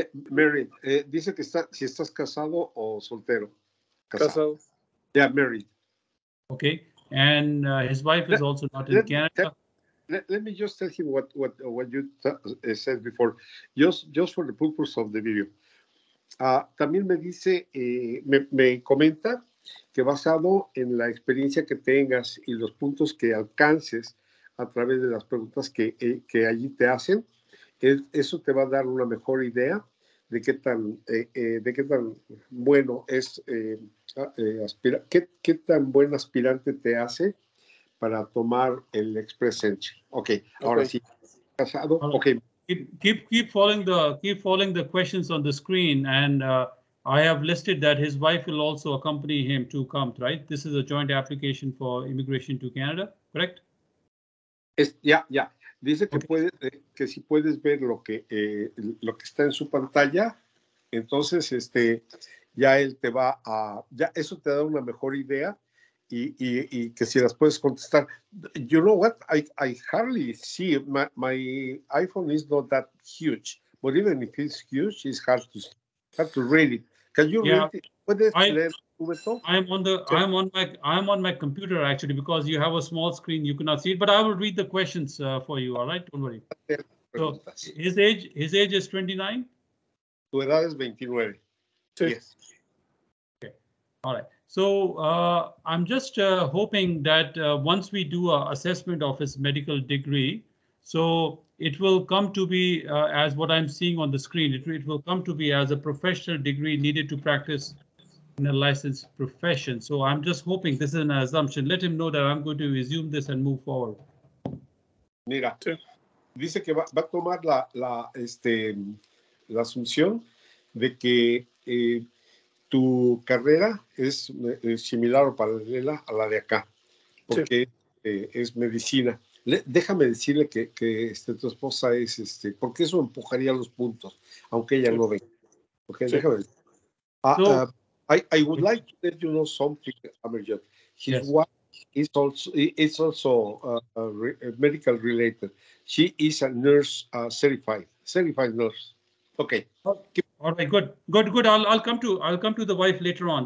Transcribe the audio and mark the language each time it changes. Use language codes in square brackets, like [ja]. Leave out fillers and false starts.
[en] Married. [es] Dice que está, si estás casado o soltero. Casado. [en] Yeah, married. Okay. And his wife is also not in Canada. Let me just tell him what you said before. Just for the purpose of the video. [es] También me dice, me comenta que basado en la experiencia que tengas y los puntos que alcances a través de las preguntas que allí te hacen, eso te va a dar una mejor idea de qué tan buen aspirante te hace para tomar el Express Entry. Okay, ahora sí. Casado. Okay. [en] Keep following the questions on the screen, and I have listed that his wife will also accompany him to come, right? This is a joint application for immigration to Canada, correct? Yeah. [es] Dice que okay. Puede que si puedes ver lo que está en su pantalla, entonces ya él te va a ya eso te da una mejor idea y que si las puedes contestar. [en] You know what? I hardly see my iPhone is not that huge, but even if it's huge, it's hard to read it. Can you read it? [es] ¿Puedes leer? [en] I'm on my computer actually, because you have a small screen, you cannot see it, but I will read the questions for you, all right? Don't worry. So his age is 29. [es] Tu edad es 29. Sí. [en] Yes. Okay. All right. So I'm just hoping that once we do an assessment of his medical degree, so it will come to be as what I'm seeing on the screen. It will come to be as a professional degree needed to practice in a licensed profession. So I'm just hoping, this is an assumption. Let him know that I'm going to resume this and move forward. [es] Mira, dice que va a tomar la asunción de que tu carrera es similar o paralela a la de acá, porque es medicina. Déjame decirle que tu esposa es, porque eso empujaría los puntos, aunque ella no venga. Ok, sí. Déjame decirle. [en] I would like to let you know something, Amarjot. His wife is also medical related. She is a nurse, certified nurse. Okay. All right. Good. I'll come to the wife later on.